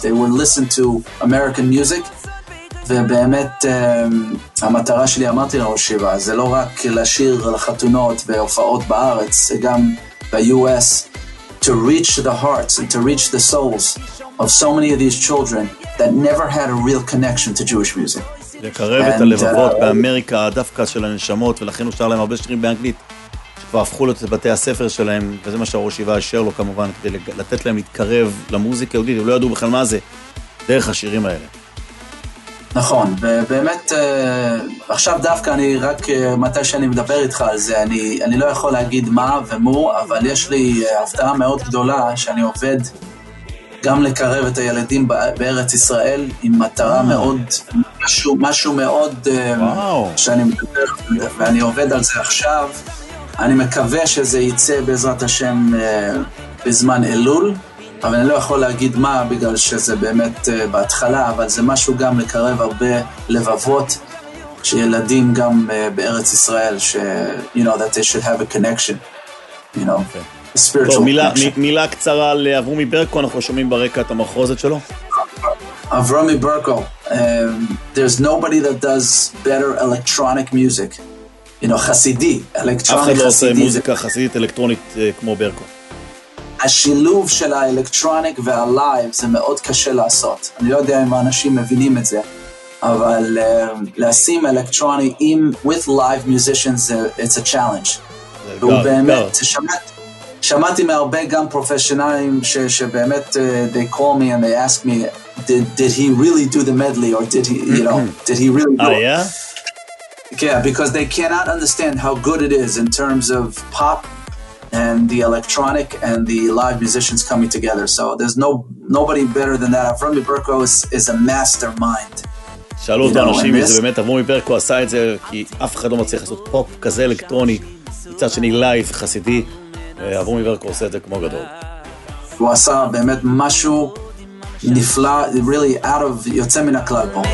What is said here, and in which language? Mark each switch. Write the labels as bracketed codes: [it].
[en] They would listen to American music. [he] ובאמת המטרה שלי, אמרתי לראש שיבה, זה לא רק לשיר לחתונות והופעות בארץ, זה גם ב-US, [en] to reach the hearts and to reach the souls of so many of these children that never had a real connection to Jewish music. [he] לקרב את הלבבות באמריקה, הדווקא של הנשמות, ולכן הוא שר להם הרבה שירים באנגלית, שכבר הפכו להיות את בתי הספר שלהם, וזה מה שהראש שיבה אשר לו כמובן, כדי לתת להם להתקרב למוזיקה היהודית, הם לא ידעו בכלל מה זה, דרך השירים האלה. נכון, ובאמת, עכשיו דווקא אני רק, מתי שאני מדבר איתך על זה, אני לא יכול להגיד מה ומו, אבל יש לי הפתעה מאוד גדולה שאני עובד גם לקרב את הילדים בארץ ישראל עם מטרה מאוד, משהו מאוד שאני מדבר, ואני עובד על זה עכשיו. אני מקווה שזה יצא בעזרת השם בזמן אלול. אבל אני לא יכול להגיד מה, בגלל שזה באמת בהתחלה, אבל זה משהו גם לקרב הרבה לבבות שילדים גם בארץ ישראל, ש, [en] you know, that they should have a connection, you know, okay. a spiritual [he] טוב, מילה, connection. מילה קצרה לאברומי ברקו, אנחנו שומעים ברקע את המחרוזת שלו. [en] אברומי ברקו, there's nobody that does better electronic music, you know, חסידי, electronic חסידי. [he] אף אחד לא עושה מוזיקה חסידית אלקטרונית כמו ברקו. השילוב של האלקטרוניק והלייב זה מאוד קשה לעשות. אני לא יודע אם האנשים מבינים את זה, אבל לשים אלקטרוני עם, [en] with live musicians, it's a challenge. [he] זה אתגר, באמת, שמעתי מהרבה גם פרופשיונלים שבאמת, [en] they call me and they ask me, did he really do the medley, or did he, you know, did he really do it? Yeah, because they cannot understand how good it is in terms of pop, and the electronic and the live musicians coming together. So there's nobody better than that. Avrami Berko is a mastermind. [he] שאלו אותו אנשים, זה באמת, אברומי ברקו עשה את זה, כי אף אחד לא מצליח לעשות פופ כזה אלקטרוני, מצד שני לייב חסידי, אברומי ברקו עושה את זה כמו גדול. הוא עשה באמת משהו נפלא, [en] really out of, [he] יוצא מן הכלל פה.